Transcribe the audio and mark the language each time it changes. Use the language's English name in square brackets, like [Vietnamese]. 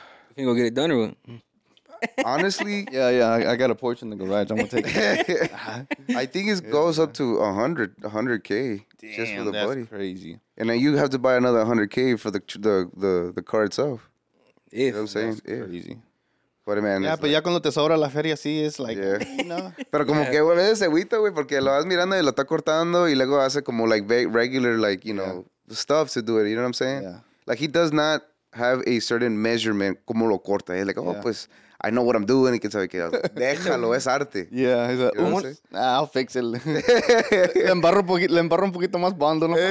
[English] You can go get it done or what? Honestly, I got a Porsche in the garage. I'm gonna take it. I think it goes up to 100K just for the buddy. That's crazy. And then you have to buy another 100K for the car itself. If, you know what I'm saying? Crazy. But man, [Spanish] yeah, pero ya cuando te sobra la feria, sí, es like, yeah. Pero como que vuelve ese güito, güey, porque lo vas mirando y lo está cortando y luego hace como [English] like regular, like, you know, stuff to do it. You know what I'm saying? Yeah. Like, he does not have a certain measurement, [Spanish] como lo corta. [English] He's like, pues. I know what I'm doing. [Spanish] Que sabe que déjalo, es arte. [English] Yeah, he's like, you know, I'll fix it. [Spanish] le embarro un poquito más bondo.